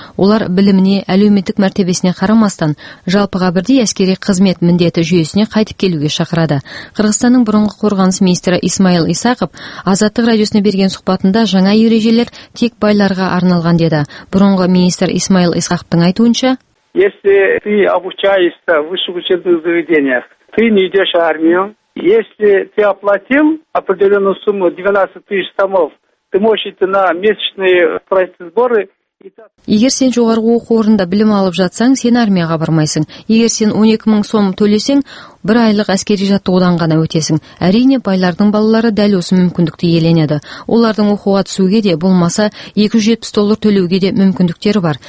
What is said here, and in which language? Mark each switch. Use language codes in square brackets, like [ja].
[kk] Олар біліміне, әлеуметтік мәртебесіне қарамастан, жалпыға бірдей әскери қызмет міндеті жүйесіне қайтып келуге шақырады. Қырғызстанның бұрынғы қорғаныс министрі Исмаил Исақов Азаттық радиосына берген сұхбатында жаңа ережелер тек байларға арналған деді. Бұрынғы министр Исмаил Исхақовтың айтуынша, [ru] если ты обучаешься в высших учебных заведениях, ты не идешь в армию. Если ты оплатил определенную сумму 12000 сомов, ты можешь идти на месячные пройти сборы. [kk] Егер сен жоғарғы оқу орнында білім алып жатсаң, сен армияға бармайсың. Егер сен 12000 сом төлесең, бір айлық әскери жаттығудан ғана өтесің. Әрине, байлардың балалары дәл осы мүмкіндікті иеленеді. Олардың оқуға түсуге де, болмаса $270 төлеуге де мүмкіндіктері бар.